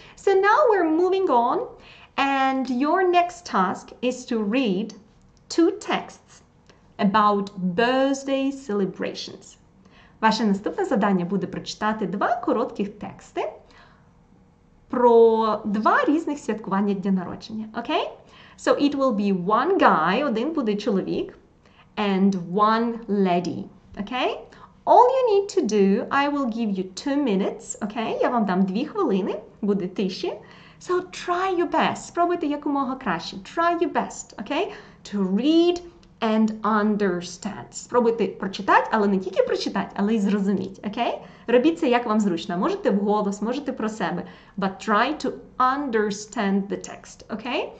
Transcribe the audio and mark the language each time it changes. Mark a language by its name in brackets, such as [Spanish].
[English] So now we're moving on, and your next task is to read two texts about birthday celebrations. [Ukrainian] Ваше наступне завдання буде прочитати два коротких тексти про два різних святкування дня народження. [English] Okay? So it will be one guy, [Ukrainian] один буде чоловік, [English] and one lady. Okay? All you need to do, I will give you 2 minutes, okay? [Ukrainian] Я вам дам 2 хвилини, буде тиші. [English] So try your best, [Ukrainian] спробуйте якомога краще. [English] Try your best, okay? To read and understand. [Ukrainian] Спробуйте прочитати, але не тільки прочитати, але й зрозуміти, okay? Робіть це, як вам зручно. Можете вголос, можете про себе. [English] But try to understand the text, okay?